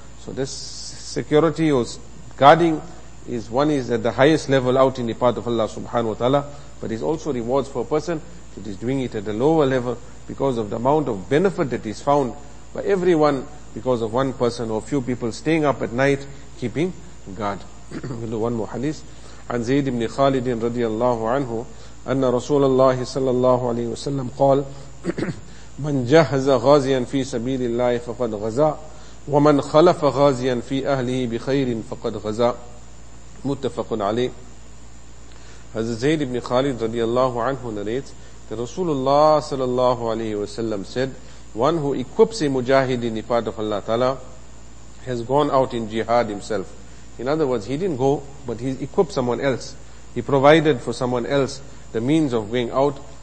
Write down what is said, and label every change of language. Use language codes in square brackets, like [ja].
[en] So this security or guarding is one is at the highest level out in the path of Allah subhanahu wa ta'ala, but is also rewards for a person that is doing it at a lower level because of the amount of benefit that is found by everyone because of one person or few people staying up at night keeping guard. We'll do one more hadith. [ar] عن زيد بن خالد رضي الله عنه أن رسول الله صلى الله عليه وسلم قال من جهز غازيا في سبيل الله فقد غزا ومن خلف غازيا في أهله بخير فقد غزا متفق عليه. هذا زيد بن خالد رضي الله عنه [en] narrates that Rasulullah [ar] صلى الله عليه وسلم [en] said, one who equips a mujahid in the path of Allah Ta'ala has gone out in jihad himself. In other words, he didn't go, but he equipped someone else. He provided for someone else the means of going out.